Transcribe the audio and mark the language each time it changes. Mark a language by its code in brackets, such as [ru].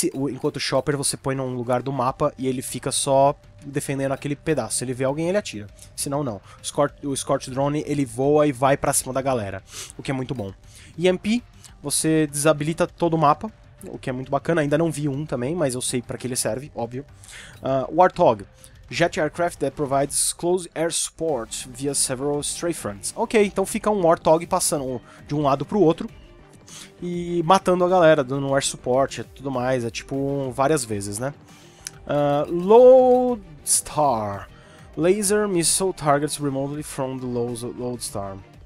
[pt] Enquanto o Chopper você põe num lugar do mapa e ele fica só defendendo aquele pedaço. Se ele vê alguém, ele atira, se não, não. O Scorch Drone, ele voa e vai pra cima da galera, o que é muito bom. EMP, você desabilita todo o mapa, o que é muito bacana. Ainda não vi um também, mas eu sei pra que ele serve, óbvio. [en] Warthog, Jet Aircraft that provides close air support via several strafe fronts. [pt] Ok, então fica um Warthog passando de um lado pro outro e matando a galera, dando air support e tudo mais. É tipo várias vezes, né? Lodestar. [en] Laser missile targets remotely from the Lodestar.